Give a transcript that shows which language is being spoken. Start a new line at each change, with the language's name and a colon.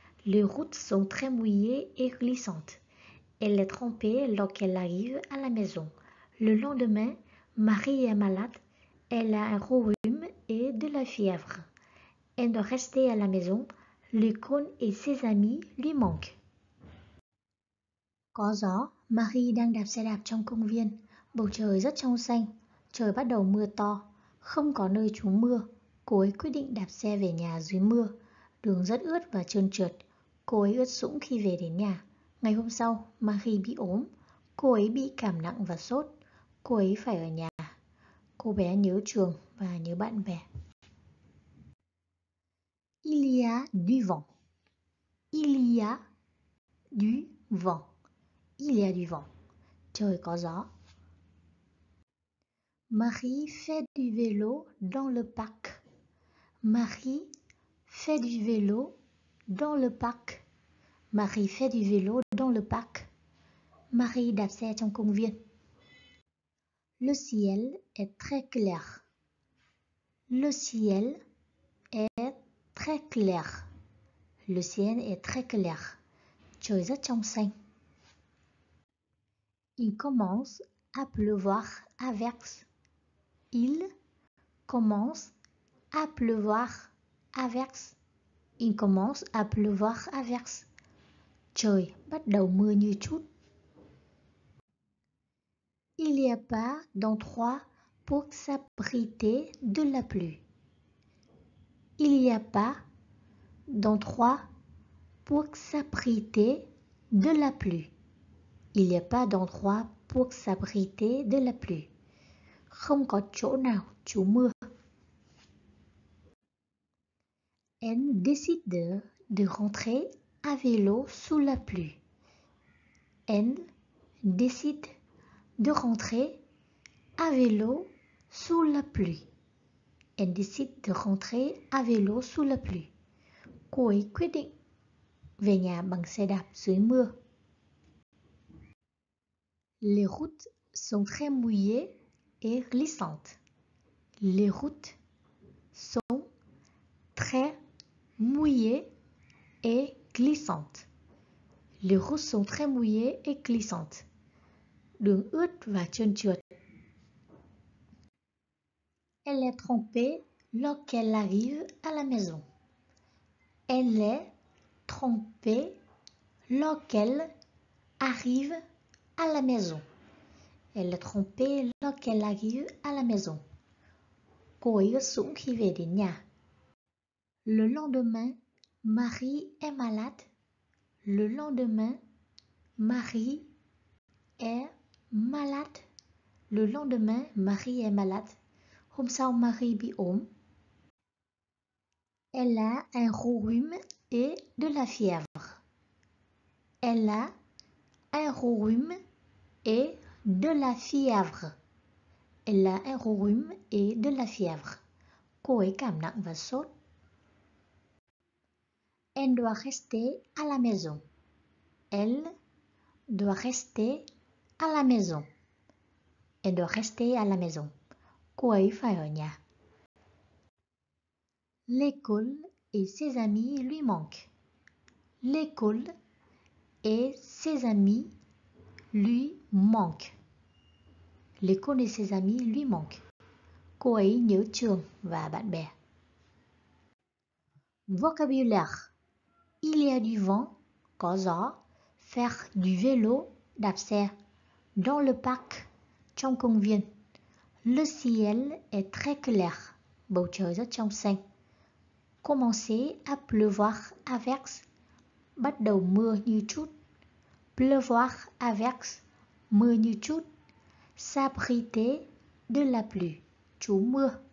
French: Les routes sont très mouillées et glissantes. Elle est trempée lorsqu'elle arrive à la maison. Le lendemain, Marie est malade. Elle a un gros rhume et de la fièvre. Elle doit rester à la maison. L'école et ses amis lui manquent.
Vietnamese: Có gió, Marie đang đạp xe đạp trong công viên. Bầu trời rất trong xanh, trời bắt đầu mưa to. Không có nơi trú mưa, cô ấy quyết định đạp xe về nhà dưới mưa. Đường rất ướt và trơn trượt, cô ấy ướt sũng khi về đến nhà. Ngày hôm sau, Marie bị ốm, cô ấy bị cảm nặng và sốt. Cô ấy phải ở nhà. Cô bé nhớ trường và nhớ bạn bè.
French: Il y a du vent. Il y a du vent. Il y a du vent.
Vietnamese: Trời có gió.
French: Marie fait du vélo dans le parc. Marie fait du vélo dans le parc. Marie fait du vélo dans le parc.
Vietnamese: Marie đạp xe trong công viên.
French: Le ciel est très clair. Le ciel est très clair. Le ciel est très clair.
Vietnamese: Trời rất trong xanh.
French: Il commence à pleuvoir à verse. Il commence à pleuvoir à verse. Il commence à pleuvoir à verse.
Vietnamese: Trời bắt đầu mưa như chút.
French: Il n'y a pas d'endroit pour s'abriter de la pluie. Il n'y a pas d'endroit pour s'abriter de la pluie. Il n'y a pas d'endroit pour s'abriter de la pluie.
Vietnamese: Không có chỗ nào trú mưa.
French: Elle décide de rentrer à vélo sous la pluie. Elle décide de rentrer à vélo sous la pluie. Elle décide de rentrer à vélo sous la pluie.
Vietnamese: Cô ấy quyết định về nhà bằng xe đạp dưới mưa.
French: Les routes sont très mouillées et glissantes. Les routes sont très mouillées et glissantes. Les routes sont très mouillées et glissantes.
Vietnamese: Đường ướt và trơn trượt.
French: Elle est trempée lorsqu'elle arrive à la maison. Elle est trempée lorsqu'elle arrive à la maison. Elle est trempée lorsqu'elle arrive à la maison.
Vietnamese: Cô ấy ướt sũng khi về đến nhà.
French: Le lendemain, Marie est malade. Le lendemain, Marie est malade. Le lendemain, Marie est malade.
Vietnamese: Hôm sau, Marie bị ốm.
French: Elle a un gros rhume et de la fièvre. Elle a un gros rhume et de la fièvre. Elle a un gros rhume et de la fièvre.
Vietnamese: Cô ấy cảm nặng và sốt.
French: Elle doit rester à la maison. Elle doit rester à la maison. Elle doit rester à la maison.
Vietnamese: Cô ấy phải ở nhà.
French: L'école et ses amis lui manquent. L'école et ses amis lui manque. L'école de ses amis lui manque.
Vietnamese: Cô ấy nhớ trường và bạn bè.
French: Vocabulaire. Il y a du vent,
Vietnamese: có gió.
French: Faire du vélo,
Vietnamese: đạp xe.
French: Dans le parc,
Vietnamese: trong công viên.
French: Le ciel est très clair.
Vietnamese: Bầu trời rất trong xanh.
French: Commencer à pleuvoir avec.
Vietnamese: Bắt đầu mưa như chút.
French: Pleuvoir avec.
Vietnamese: Mưa như chút.
French: S'abriter de la pluie.
Vietnamese: Trú mưa.